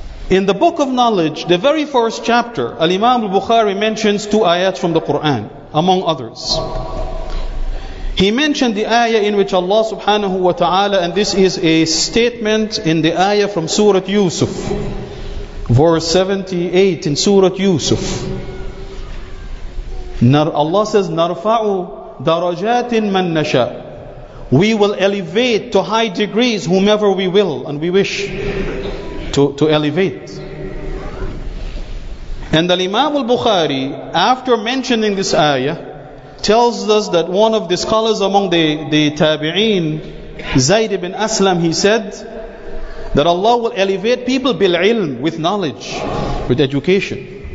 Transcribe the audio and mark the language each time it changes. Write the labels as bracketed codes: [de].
[en] In the book of knowledge, the very first chapter, Al-Imam al-Bukhari mentions two ayats from the Quran, among others. He mentioned the ayah in which Allah subhanahu wa ta'ala, and this is a statement in the ayah from Surah Yusuf, verse 78 in Surah Yusuf. [ar] Allah says, نَرْفَعُ دَرَجَاتٍ مَنْ نَشَاءُ. [en] We will elevate to high degrees whomever we will and we wish to elevate. And Al-Imam al-Bukhari, after mentioning this ayah, tells us that one of the scholars among the tabi'een, Zayd ibn Aslam, he said that Allah will elevate people bil-ilm, with knowledge, with education.